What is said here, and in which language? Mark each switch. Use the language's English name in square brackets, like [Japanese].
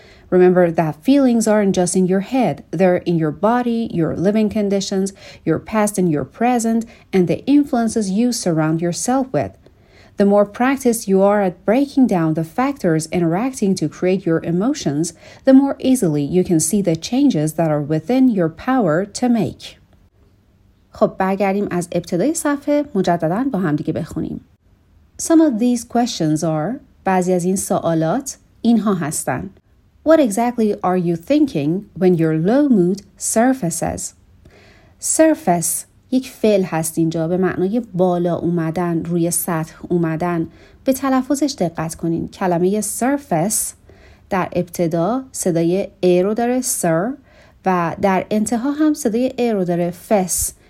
[English] Remember that feelings aren't just in your head, they're in your body, your living conditions, your past and your present, and the influences you surround yourself with. The more practiced you are at breaking down the factors interacting to create your emotions, the more easily you can see the changes that are within your power to make. [Persian] خب برگردیم از ابتدای صفحه مجدداً با هم دیگه بخونیم. [English] Some of these questions are, [Persian] بعضی از این سوالات اینها هستن. [English] What exactly are you thinking when your low mood surfaces? [Persian] Surface یک فعل هست اینجا به معنای بالا اومدن، روی سطح اومدن. به تلفظش دقت کنین. کلمه surface در ابتدا صدای ا رو داره sir و در انتها هم صدای ا رو داره face.